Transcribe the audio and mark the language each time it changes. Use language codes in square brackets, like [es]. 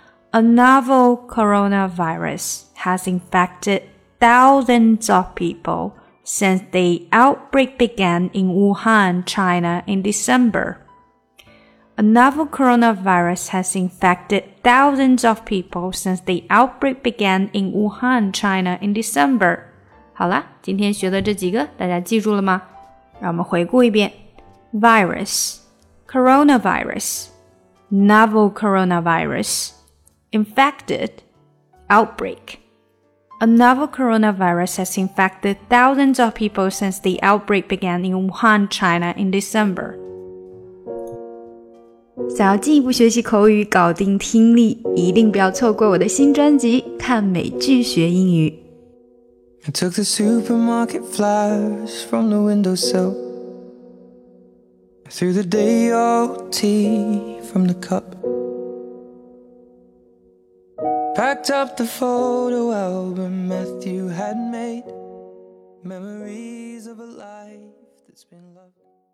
[en] A novel coronavirus has infected thousands of people since the outbreak began in Wuhan, China, in December. A novel coronavirus has infected thousands of people since the outbreak began in Wuhan, China, in December. [zh] 好啦，今天学的这几个，大家记住了吗？让我们回顾一遍 virus, coronavirus, novel coronavirus, infected, outbreak. [en] A novel coronavirus has infected thousands of people since the outbreak began in Wuhan, China in December. [zh] 想要进一步学习口语，搞定听力，一定不要错过我的新专辑《看美剧学英语》。 [en] I took the supermarket flowers from the windowsill Threw the day old tea from the cup Packed up the photo album Matthew had made Memories of a life that's been loved